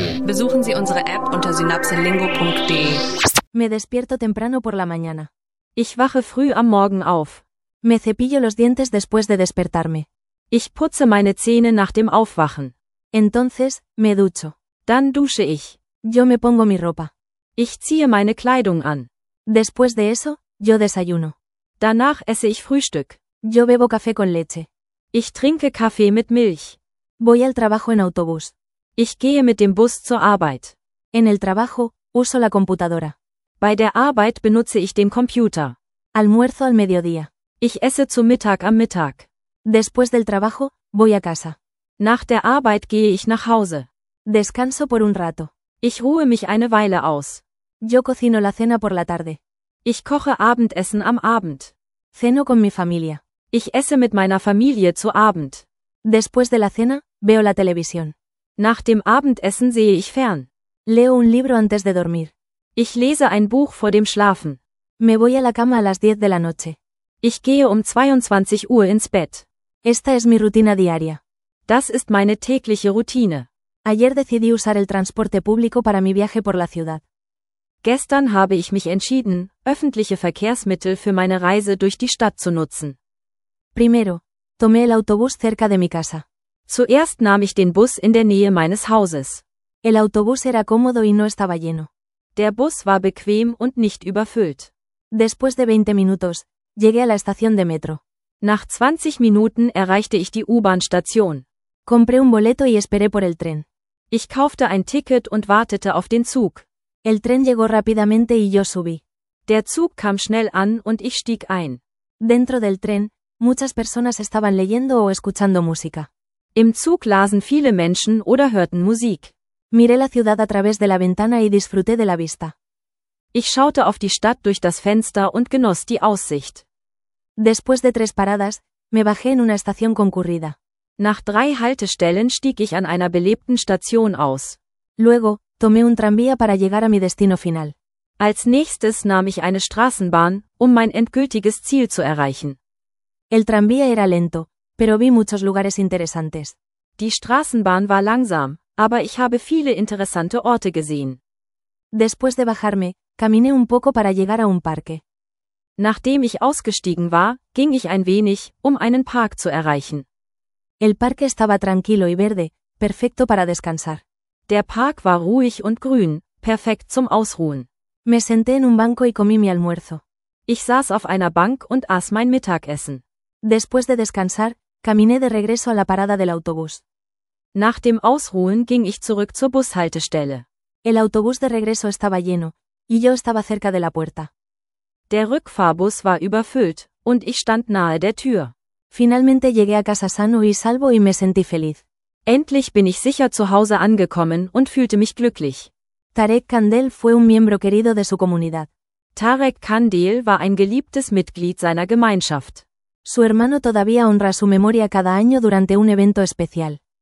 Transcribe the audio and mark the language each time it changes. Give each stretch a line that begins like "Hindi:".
German: Besuchen Sie unsere App unter synapselingo.de.
Spanish: Me despierto temprano por la mañana.
German: Ich wache früh am Morgen auf.
Spanish: Me cepillo los dientes después de despertarme.
German: Ich putze meine Zähne nach dem Aufwachen.
Spanish: Entonces, me ducho.
German: Dann dusche ich.
Spanish: Yo me pongo mi ropa.
German: Ich ziehe meine Kleidung an.
Spanish: Después de eso, yo desayuno.
German: Danach esse ich Frühstück.
Spanish: Yo bebo café con leche.
German: Ich trinke Kaffee mit Milch.
Spanish: Voy al trabajo en autobús.
German: Ich gehe mit dem Bus zur Arbeit.
Spanish: En el trabajo, uso la computadora.
German: Bei der Arbeit benutze ich den Computer.
Spanish: Almuerzo al mediodía.
German: Ich esse zu Mittag am Mittag.
Spanish: Después del trabajo, voy a casa.
German: Nach der Arbeit gehe ich nach Hause.
Spanish: Descanso por un rato.
German: Ich ruhe mich eine Weile aus.
Spanish: Yo cocino la cena por la tarde.
German: Ich koche Abendessen am Abend.
Spanish: Ceno con mi familia.
German: Ich esse mit meiner Familie zu Abend.
Spanish: Después de la cena, veo la televisión.
German: Nach dem Abendessen sehe ich fern.
Spanish: Leo un libro antes de dormir.
German: Ich lese ein Buch vor dem Schlafen.
Spanish: Me voy a la cama a las 10 de la noche.
German: Ich gehe um 22 Uhr ins Bett.
Spanish: Esta es mi rutina diaria.
German: Das ist meine tägliche Routine.
Spanish: Ayer decidí usar el transporte público para mi viaje por la ciudad.
German: Gestern habe ich mich entschieden, öffentliche Verkehrsmittel für meine Reise durch die Stadt zu nutzen.
Spanish: Primero, tomé el autobús cerca de mi casa.
German: Zuerst nahm ich den Bus in der Nähe meines Hauses.
Spanish: El autobús era cómodo y no estaba lleno.
German: Der Bus war bequem und nicht überfüllt.
Spanish: Después de 20 minutos, llegué a la estación de metro.
German: Nach 20 Minuten erreichte ich die U-Bahn-Station.
Spanish: Compré un boleto y esperé por el tren.
German: Ich kaufte ein Ticket und wartete auf den Zug.
Spanish: El tren llegó rápidamente y yo subí.
German: Der Zug kam schnell an und ich stieg ein.
Spanish: Dentro del tren, muchas personas estaban leyendo o escuchando música.
German: Im Zug lasen viele Menschen oder hörten Musik.
Spanish: Miré la ciudad a través de la ventana y disfruté de la vista.
German: Ich schaute auf die Stadt durch das Fenster und genoss die Aussicht.
Spanish: Después de tres paradas, me bajé en una estación concurrida.
German: Nach drei Haltestellen stieg ich an einer belebten Station aus.
Spanish: Luego, tomé un tranvía para llegar a mi destino final.
German: Als nächstes nahm ich eine Straßenbahn, um mein endgültiges Ziel zu erreichen.
Spanish: El tranvía era lento, pero vi muchos lugares interesantes.
German: Die Straßenbahn war langsam, aber ich habe viele interessante Orte gesehen.
Spanish: Después de bajarme, caminé un poco para llegar a un parque.
German: Nachdem ich ausgestiegen war, ging ich ein wenig, um einen Park zu erreichen.
Spanish: El parque estaba tranquilo y verde, perfecto para descansar.
German: Der Park war ruhig und grün, perfekt zum Ausruhen.
Spanish: Me senté en un banco y comí mi almuerzo.
German: Ich saß auf einer Bank und aß mein Mittagessen.
Spanish: Después de descansar, caminé de regreso a la parada del autobús.
German: Nach dem Ausruhen ging ich zurück zur Bushaltestelle.
Spanish: El autobús de regreso estaba lleno, y yo estaba cerca de la puerta.
German: Der Rückfahrbus war überfüllt, und ich stand nahe der Tür.
Spanish: Finalmente llegué a casa sano y salvo y me sentí feliz.
German: Endlich bin ich sicher zu Hause angekommen und fühlte mich glücklich.
Spanish: Tarek Kandel fue un miembro querido de su comunidad.
German: Tarek Kandel war ein geliebtes Mitglied seiner Gemeinschaft.
Spanish: Su hermano todavía honra su memoria cada año durante un evento especial.